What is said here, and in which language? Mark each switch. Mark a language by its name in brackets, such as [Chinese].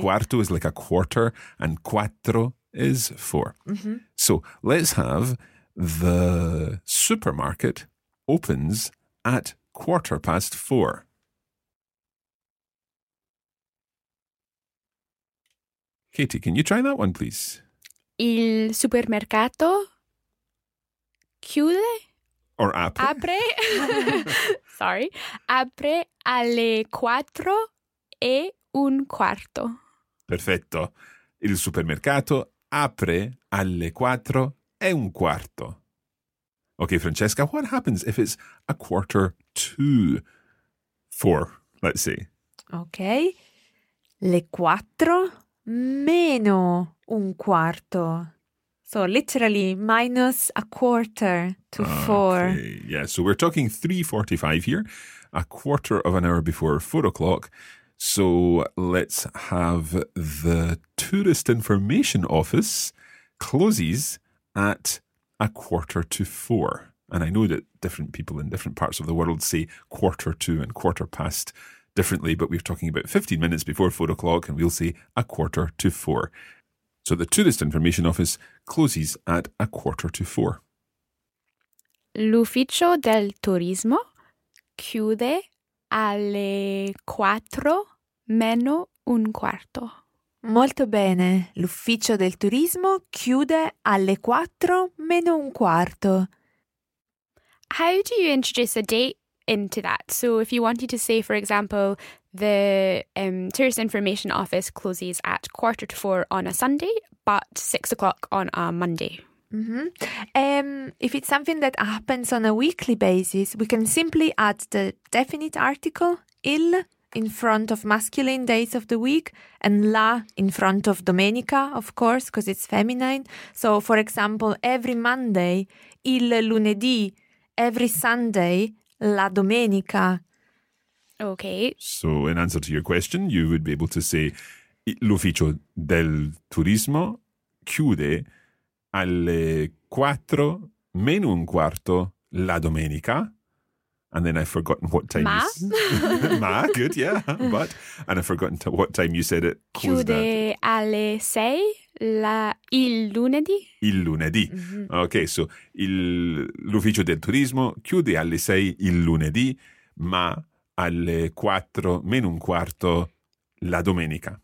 [English] Quarto is like a quarter and quattro is four. Mm-hmm. So let's have the supermarket opens at quarter past four. Katie, can you try that one, please? [Italian] Il supermercato chiude? [English] Or apre? [Italian] Apre. [English] Sorry. [Italian] Apre alle quattro e un quarto. Perfetto. Il supermercato apre alle quattro e un quarto. [English] Okay, Francesca, what happens if it's a quarter to four? Let's see. [Italian] Okay. Le quattro meno un quarto. [English] So literally minus a quarter to four. Okay. Yeah, so we're talking 3:45 here, a quarter of an hour before 4 o'clock. So let's have the tourist information office closes at a quarter to four. And I know that different people in different parts of the world say quarter to and quarter past differently, but we're talking about 15 minutes before 4 o'clock and we'll say a quarter to four. So the tourist information office closes at a quarter to four. [Italian] L'ufficio del turismo chiude alle quattro meno un quarto. Molto bene. L'ufficio del turismo chiude alle quattro meno un quarto. [English] How do you introduce a date into that? So if you wanted to say, for example, the tourist information office closes at quarter to four on a Sunday, but 6 o'clock on a Monday. Mm-hmm. If it's something that happens on a weekly basis, we can simply add the definite article, il, in front of masculine days of the week, and la in front of domenica, of course, because it's feminine. So, for example, every Monday, [Italian] il lunedì, [English] every Sunday, [Italian] la domenica. [English] Okay. So, in answer to your question, you would be able to say [Italian] l'ufficio del turismo chiude alle quattro meno un quarto la domenica. [English] And then I've forgotten what time. [Italian] Ma? [English] Ma, good, yeah. But, and I've forgotten what time you said it. [Italian] Chiude alle sei la, il lunedì. Il lunedì. Mm-hmm. Okay, so l'ufficio del turismo chiude alle sei il lunedì, ma alle quattro meno un quarto la domenica.